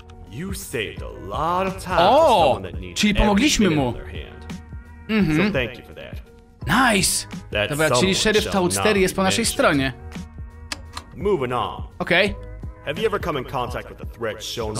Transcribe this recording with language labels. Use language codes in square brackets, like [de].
[en] You saved a lot of time for someone that needs everything. [pl] Czyli pomogliśmy mu. [en] Mhm. So thank you for that. Nice. [pl] That dobra, czyli Sheriff Toadster jest po naszej stronie. [en] Moving on. Okay. Have you ever come in contact with the threat shown on the